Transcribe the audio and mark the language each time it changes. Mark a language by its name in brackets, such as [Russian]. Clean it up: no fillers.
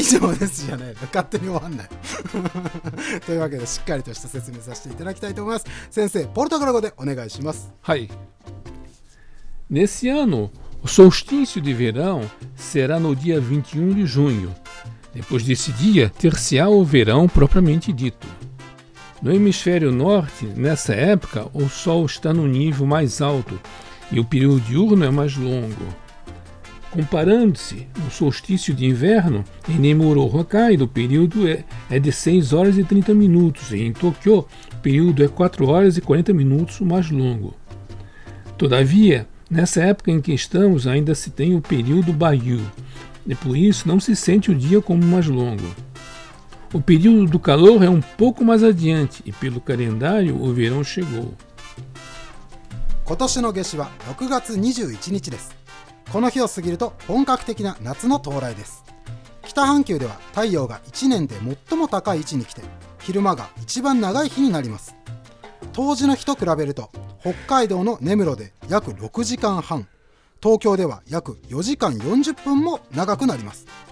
[Japanese] 以上ですじゃない、勝手に終わんないというわけでしっかりとした説明させていただきたいと思います。先生ポルトガル語でお願いします。はい。 [Portuguese] Nesse ano, o solstício de verão será no dia 21 de junho. Depois desse dia, ter-se-á o verão propriamente dito. No hemisfério norte, nessa época, o sol está no nível mais alto e o período diurno é mais longo. Comparando-se, o solstício de inverno em Neimoro, Hokkaido, o período é de 6 horas e 30 minutos e em Tokyo, o período é 4 horas e 40 minutos, o mais longo. Todavia, nessa época em que estamos, ainda se tem o período Baiyu e por isso não se sente o dia como mais longo. O período do calor é um pouco mais adiante e pelo calendário o verão chegou. [Japanese] 今年の夏至は6月21日です。この日を過ぎると本格的な夏の到来です。北半球では太陽が1年で最も高い位置に来て、昼間が一番長い日になります。冬至の日と比べると、北海道の根室で約6時間半、東京では約4時間40分も長くなります。